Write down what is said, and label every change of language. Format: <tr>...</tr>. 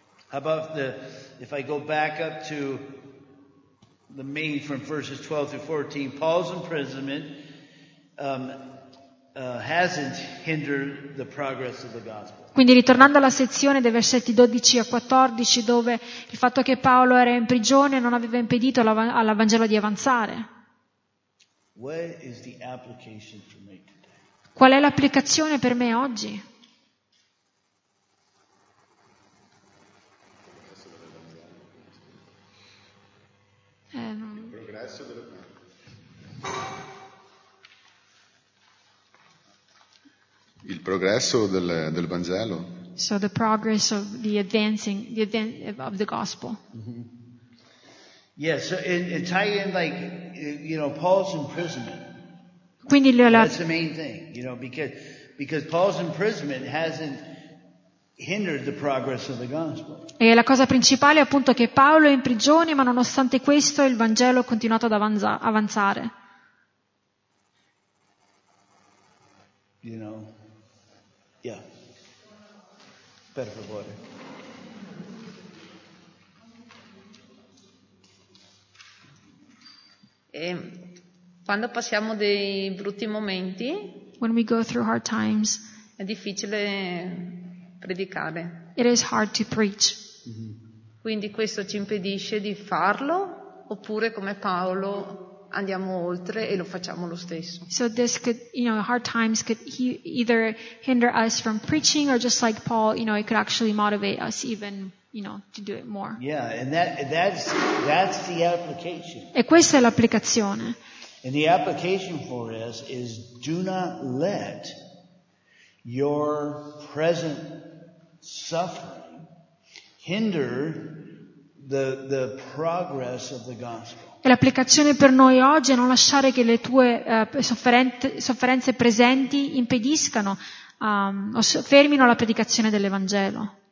<en>How about the if I go back up to the main from verses 12 through 14, Paul's imprisonment hasn't hindered the progress of the gospel.</en> <it>Quindi ritornando alla sezione dei versetti 12 a 14, dove il fatto che Paolo era in prigione non aveva impedito all'Evangelo di avanzare.</it> <en>What is the application for me?</en> <it>Qual è l'applicazione per me oggi? Il progresso del Vangelo.</it> <en>So the progress of the advancing of the gospel. Mm-hmm. Yes, yeah, so in Italian, like you know, Paul's imprisonment.</en> <it>Quindi</it> <en>that's the main thing, you know, because Paul's imprisonment hasn't hindered the progress of the gospel.</en> <it>E la cosa principale è appunto che Paolo è in prigione, ma nonostante questo il Vangelo ha continuato ad avanzare.</it> <en>You know, yeah.</en> <it>Per favore. Quando passiamo dei brutti momenti,</it> <en>when we go through hard times,</en> <it>è difficile predicare.</it> <en>It is hard to preach.</en> <it>Quindi questo ci impedisce di farlo, oppure come Paolo andiamo oltre e lo facciamo lo stesso.</it> <en>So this could, you know, hard times could either hinder us from preaching or just like Paul, you know, it could actually motivate us even, you know, to do it more. Yeah, and that's the application.</en> <it>E questa è l'applicazione.</it> <en>And the application for us is do not let your present suffering hinder the progress of the gospel.</en> <it>E l'applicazione per noi oggi è non lasciare che le tue sofferenze presenti impediscano o fermino la predicazione dell'Evangelo.</it>